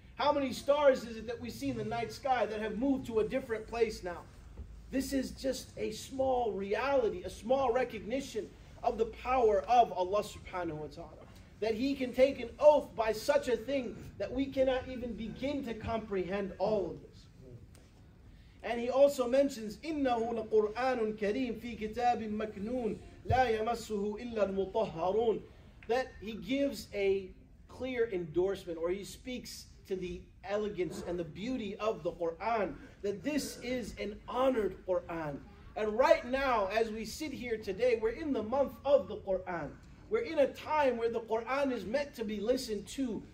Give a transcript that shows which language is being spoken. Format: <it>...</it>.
<en>How many stars is it that we see in the night sky that have moved to a different place now? This is just a small reality, a small recognition of the power of Allah subhanahu wa ta'ala. That He can take an oath by such a thing that we cannot even begin to comprehend all of this. And He also mentions,</en> <ar>إِنَّهُ لَقُرْآنٌ كَرِيمٌ فِي كِتَابٍ مَكْنُونٌ لَا يَمَسُّهُ إِلَّا الْمُطَهَّرُونَ.</ar> <en>That He gives a clear endorsement, or He speaks to the elegance and the beauty of the Qur'an, that this is an honored Qur'an. And right now, as we sit here today, we're in the month of the Qur'an. We're in a time where the Qur'an is meant to be listened to.</en>